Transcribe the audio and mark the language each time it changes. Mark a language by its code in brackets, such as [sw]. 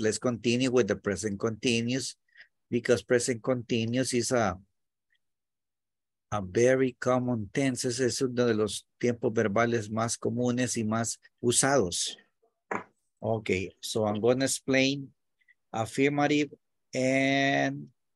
[en] Let's continue with the present continuous, because present continuous is a very common tense. [es] Es uno de los tiempos verbales más comunes y más usados. [en] Okay, so I'm going to explain affirmative and...